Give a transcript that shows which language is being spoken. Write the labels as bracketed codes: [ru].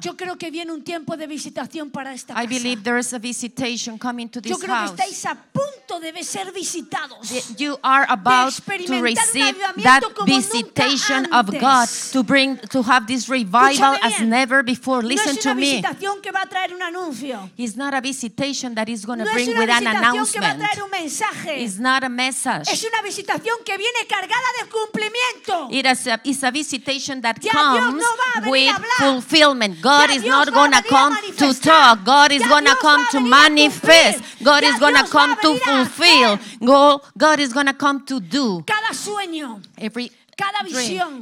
[es] Yo creo que viene un tiempo de visitación para esta casa. [en] I believe there is a visitation coming to this house. [es] Yo creo que estáis a punto de ser visitados. [en] You are about to receive that visitation of God to bring to have this revival as never before. Listen to me. [es] No es una visitación que va a traer un anuncio. [en] It's not a visitation that is going to bring with an announcement. [es] No es una visitación que va a traer un mensaje. [en] It's not a message. [es] Es una visitación que viene cargada de cumplimiento. [en] It is a visitation that comes with fulfillment. God is not going to come to talk. God is going to come to manifest. God is going to come to fulfill. God is going to come to do. [es] Cada sueño, [en] every [es] cada visión,